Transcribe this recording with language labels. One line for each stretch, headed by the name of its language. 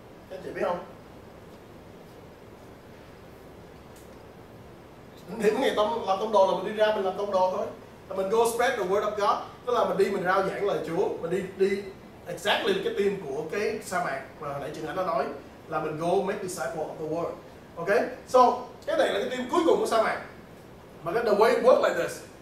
Vietnamese: Các chị biết không? Đỉnh điểm của ngày làm tông đồ là mình đi ra, mình làm tông đồ thôi. Là mình
English: go spread the word of God.
Vietnamese: Tức là mình đi, mình rao giảng lời Chúa. Mình đi exactly cái team của cái sa mạc mà hồi nãy Trường Ảnh nó nói. Là mình
English: go make disciples of the world. Ok?
Vietnamese: So, cái này là cái team cuối cùng của sa mạc. Mà
English: the way it works like this.